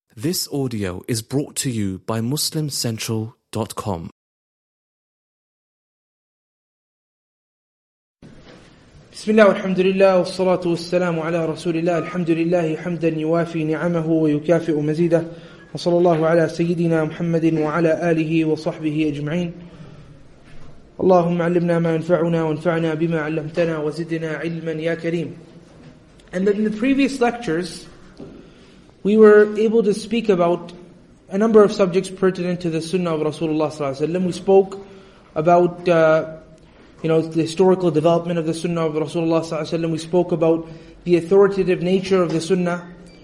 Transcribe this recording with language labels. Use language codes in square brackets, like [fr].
[en] This audio is brought to you by MuslimCentral.com. [ar] بسم الله والحمد لله والصلاة والسلام على رسول الله الحمد لله حمدا يوافي نعمه ويكافئ مزيده وصلى الله على سيدنا محمد وعلى آله وصحبه أجمعين اللهم علمنا ما ينفعنا وانفعنا بما علمتنا وزدنا علما يا كريم. [en] And in the previous lectures, we were able to speak about a number of subjects pertinent to the Sunnah of Rasulullah [ar] صلى الله عليه وسلم. [en] We spoke about the historical development of the Sunnah of Rasulullah صلى الله عليه وسلم. We spoke about the authoritative nature of the Sunnah.